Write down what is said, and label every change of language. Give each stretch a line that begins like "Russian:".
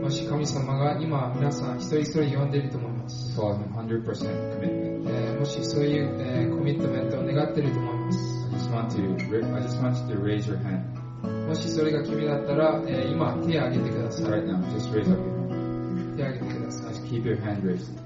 Japanese: もし神様が今皆さん一人一人呼んでいると思います。
English: So、100% commitment.
Japanese: もしそういう、コミットメントを願っていると思います。
English: I just want you to raise your hand.
Japanese: もしそれが君だったら、今手を挙げてください。
English: Right now, just raise up your hand.
Japanese: 手を挙げてください。
English: Just keep your hand raised.